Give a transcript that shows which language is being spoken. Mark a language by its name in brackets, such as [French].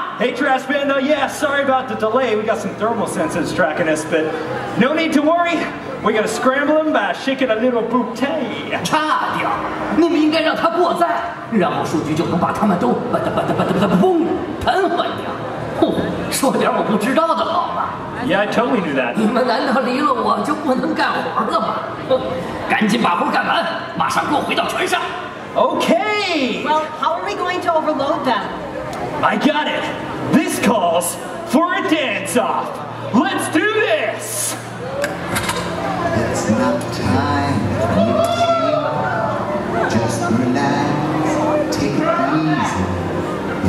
[English] Sorry about the delay, we got some thermal sensors tracking us, but no need to worry. We're gonna scramble them by shaking a little bouteille. [Chinese] 差点，你们应该让他过载，然后数据就能把他们都吧嗒吧嗒吧嗒吧嗒嘣喷回去。哦，说点我不知道的好吗？ [English] Yeah, I totally knew that. [Chinese] 你们难道离了我就不能干活了吗？赶紧把活干完，马上给我回到船上。 [English] Okay. Well, how are we going to overload them? I got it. This calls for a dance-off. Let's do this! It's not time to move. Just relax, take it easy.